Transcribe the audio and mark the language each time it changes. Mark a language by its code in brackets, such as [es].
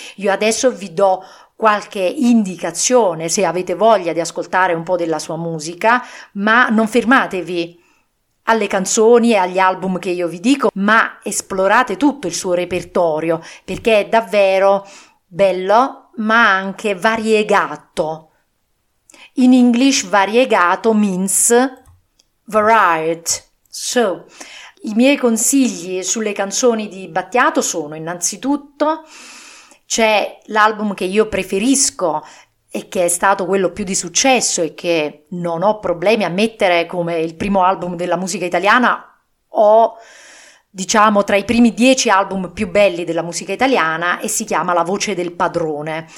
[it] Io adesso vi do qualche indicazione se avete voglia di ascoltare un po' della sua musica, ma non fermatevi alle canzoni e agli album che io vi dico, ma esplorate tutto il suo repertorio, perché è davvero bello, ma anche variegato. [en] In English variegato means varied. [it] So, i miei consigli sulle canzoni di Battiato sono, innanzitutto, c'è l'album che io preferisco e che è stato quello più di successo e che non ho problemi a mettere come il primo album della musica italiana o, diciamo, tra i primi 10 album più belli della musica italiana, e si chiama La voce del padrone.